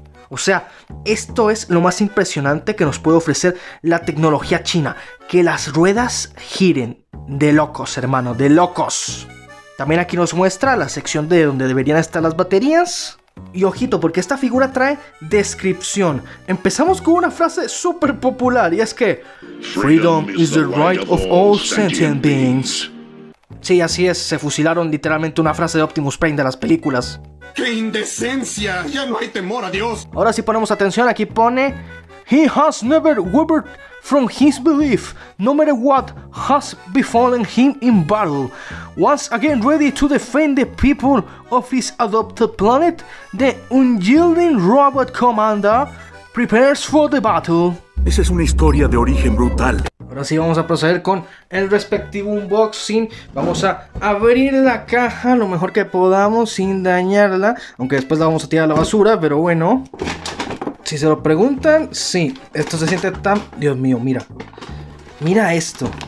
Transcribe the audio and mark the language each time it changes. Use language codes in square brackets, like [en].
[es] O sea, esto es lo más impresionante que nos puede ofrecer la tecnología china. Que las ruedas giren. De locos, hermano, de locos. También aquí nos muestra la sección de donde deberían estar las baterías. Y ojito, porque esta figura trae descripción. Empezamos con una frase súper popular y es que [en] Freedom is the right of all sentient beings. [es] Sí, así es, se fusilaron literalmente una frase de Optimus Prime de las películas. ¡Qué indecencia! ¡Ya no hay temor a Dios! Ahora sí ponemos atención, aquí pone [en] He has never wavered from his belief, no matter what has befallen him in battle. Once again ready to defend the people of his adopted planet, the unyielding robot commander prepares for the battle. [es] Esa es una historia de origen brutal. Ahora sí vamos a proceder con el respectivo unboxing. Vamos a abrir la caja lo mejor que podamos sin dañarla, aunque después la vamos a tirar a la basura, pero bueno. Si se lo preguntan, sí, esto se siente tan... Dios mío, mira. Mira esto.